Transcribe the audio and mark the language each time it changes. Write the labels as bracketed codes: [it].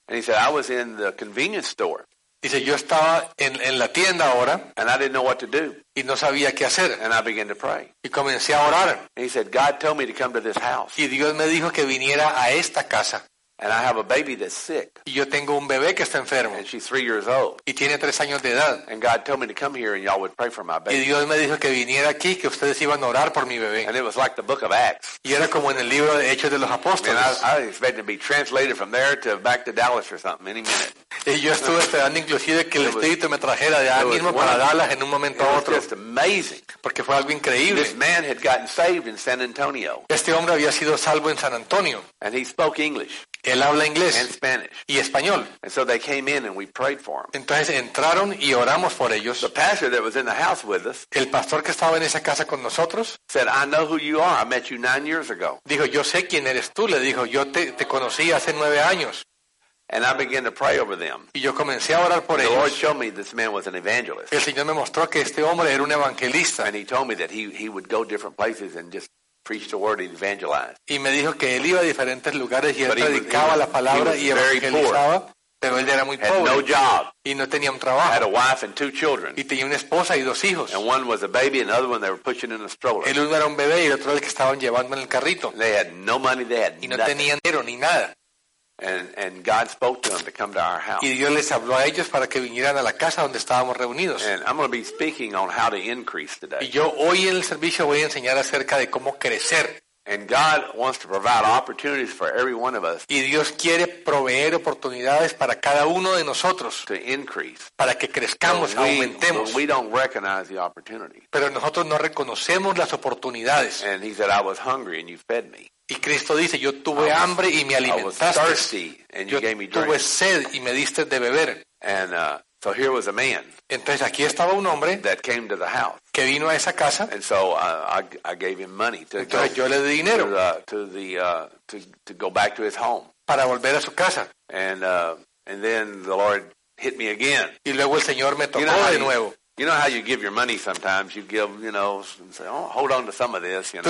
[en] And he said, "I was in the convenience store." [es] Dice, yo estaba en la tienda ahora. [en] And I didn't know what to do. [es] Y no sabía qué hacer. [en] And I began to pray. [es] Y comencé a orar. [en] And he said, God told me to come to this house. [es] Y Dios me dijo que viniera a esta casa. [en] And I have a baby that's sick. [es] Y yo tengo un bebé que está enfermo. [en] And she's 3 years old. [es] Y tiene 3 años de edad. [en] And God told me to come here and y'all would pray for my baby. [es] Y Dios me dijo que viniera aquí, que ustedes iban a orar por mi bebé. [en] And it was like the book of Acts. [es] Y era como en el libro de Hechos de los Apóstoles. [en] And I expected to be translated from there to back to Dallas or something any minute. [es] Y yo estuve esperando inclusive que el Espíritu me trajera de allá mismo para Dallas en un momento a otro. [en] It was just amazing. [es] Porque fue algo increíble. [en] This man had gotten saved in San Antonio. [es] Este hombre había sido salvo en San Antonio. [en] And he spoke English. [es] Él habla inglés [en] and Spanish. [es] Y español. [en] And so they came in and we prayed for them. [es] Entonces entraron y oramos por ellos. [en] The pastor that was in the house with us, [es] el pastor que estaba en esa casa con nosotros, [en] said, I know who you are. I met you 9 years ago. [es] Dijo, yo sé quién eres tú. Le dijo, yo te conocí hace 9 años. [en] And I began to pray over them. [es] Y yo comencé a orar por [en] the [es] ellos. [en] Lord showed me this man was an evangelist. [es] El Señor me mostró que este hombre era un evangelista. [en] And he told me that he would go different places and just preach the word and evangelize. [es] Y me dijo que él iba a diferentes lugares y él predicaba la palabra y evangelizaba, pero él era muy pobre. [en] No job. [es] Y no tenía un trabajo. [en] Had a wife and 2 children. [es] Y tenía una esposa y 2 hijos. [en] And one was a baby and the other one they were pushing in a stroller. [es] El uno era un bebé y el otro el que estaban llevando en el carrito. [en] They had no money, they had [es] y no tenían dinero ni nada. [en] And God spoke to them to come to our house. [es] Y Dios les habló a ellos para que vinieran a la casa donde estábamos reunidos. [en] And I'm going to be speaking on how to increase today. [es] Y yo hoy en el servicio voy a enseñar acerca de cómo crecer. [en] And God wants to provide opportunities for every one of us. [es] Y Dios quiere proveer oportunidades para cada uno de nosotros. [en] To increase. [es] Para que crezcamos, aumentemos. [en] But we don't recognize the opportunity. [es] Pero nosotros no reconocemos las oportunidades. [en] And He said, I was hungry and you fed me. [es] Y Cristo dice, yo tuve hambre y me alimentaste. [en] I was thirsty and you gave me drink. [es] Yo tuve sed y me diste de beber. [en] And so here was a man. [es] Entonces aquí estaba un hombre [en] that came to the house. [es] Que vino a esa casa. [en] And so I gave him money to [es] entonces, yo le di dinero [en] to go back to his home. [es] Para volver a su casa. [en] And then the Lord hit me again. [es] Y luego el Señor me tocó de nuevo. [en] You know how you give your money sometimes? You give, you know, and say, oh, hold on to some of this, you know.